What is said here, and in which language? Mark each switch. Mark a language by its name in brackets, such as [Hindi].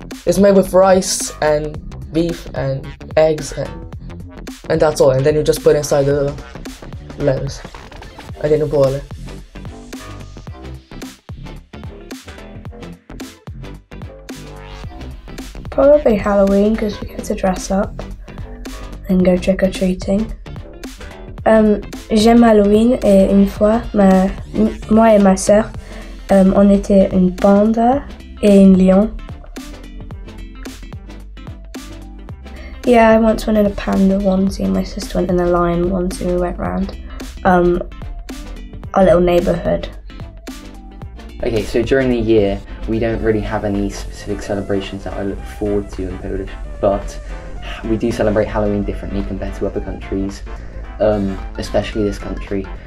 [English] It's made with rice and beef and eggs and that's all. And then you just put it inside the lettuce and then you boil it. Probably Halloween, because we get to dress up and go trick-or-treating. [French] J'aime Halloween et une fois, moi et ma sœur, on était une panda et une lion. [English] Yeah, I once went in a panda onesie, and my sister went in a lion onesie, and we went round our little neighbourhood. Okay, so during the year, we don't really have any specific celebrations that I look forward to in Polish, but we do celebrate Halloween differently compared to other countries, especially this country.